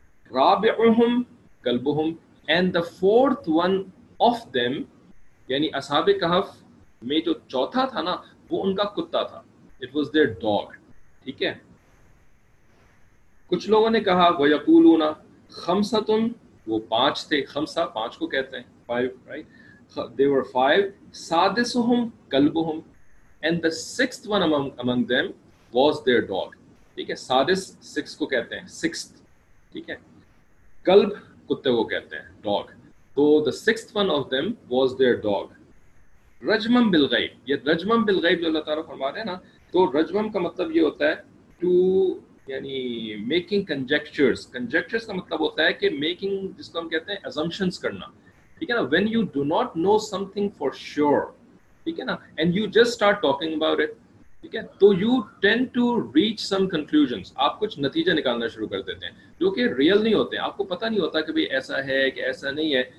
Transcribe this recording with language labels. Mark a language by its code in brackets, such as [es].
[ar] رابعہم قلبہم [en] and the fourth one of them, [ur] یعنی اصحاب کہف میں جو چوتھا تھا نا وہ ان کا کتا تھا, [en] It was their dog. [ur] ٹھیک ہے, کچھ لوگوں نے کہا [ar] ویقولون خمسۃن, [ur] وہ پانچ تھے, خمسہ پانچ کو کہتے ہیں, [en] Five, right, they were five. [ar] سادسہم قلبہم [en] And the sixth one among them was their dog. [ur] ٹھیک ہے, سادس سکس کو کہتے ہیں, سکسٹھ, ٹھیک ہے, قلب کتے کو کہتے ہیں, ڈاگ. [en] تو the sixth one of them was their dog. [ar] رجمم بالغیب, [ur] یہ رجمم بالغیب جو اللہ تعالیٰ فرما رہے ہیں نا, تو رجمم کا مطلب یہ ہوتا ہے ٹو, یعنی [en] Making conjectures. [ur] کنجیکچرز کا مطلب ہوتا ہے کہ میکنگ, جس کو ہم کہتے ہیں اسمپشنز کرنا. ٹھیک ہے نا, [en] when you do not know something for sure, [ur] ٹھیک ہے نا, [en] and you just start talking about it, [ur] ٹھیک ہے, تو [en] you tend to reach some conclusions, [ur] آپ کچھ نتیجہ نکالنا شروع کر دیتے ہیں جو کہ ریئل نہیں ہوتے, آپ کو پتہ نہیں ہوتا کہ بھائی ایسا ہے کہ ایسا نہیں ہے.